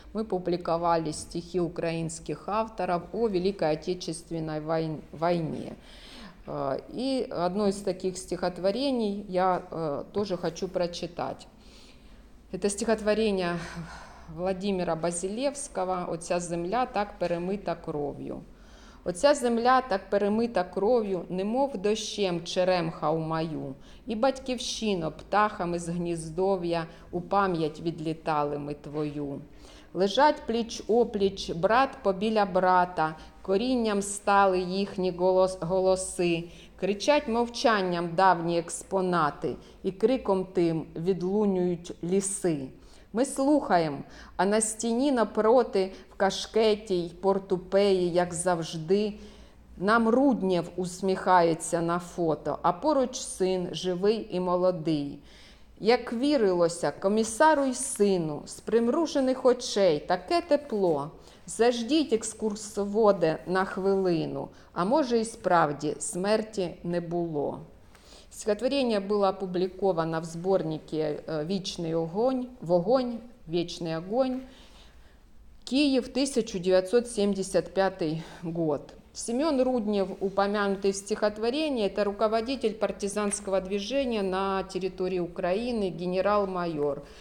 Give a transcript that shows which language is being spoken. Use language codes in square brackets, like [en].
[ru] Мы публиковали стихи украинских авторов о Великой Отечественной войне. И одно из таких стихотворений я тоже хочу прочитать. Это стихотворение Владимира Базилевского «Оця земля так перемита кров'ю». [uk] Оця земля так перемита кров'ю, немов дощем черемха у маю, і батьківщино птахами з гніздов'я у пам'ять відлітали ми твою. Лежать пліч-опліч, брат побіля брата, корінням стали їхні голоси, кричать мовчанням давні експонати, і криком тим відлунюють ліси. Ми слухаємо, а на стіні напроти, в кашкеті й портупеї, як завжди, нам Руднєв усміхається на фото, а поруч син живий і молодий. Як вірилося комісару й сину, з примружених очей таке тепло, заждіть екскурсоводе на хвилину, а може й справді смерті не було. [ru] Стихотворение было опубликовано в сборнике «Вечный огонь», «Вогонь», «Вечный огонь», Киев, 1975 год. Семен Руднев, упомянутый в стихотворении, это руководитель партизанского движения на территории Украины, генерал-майор.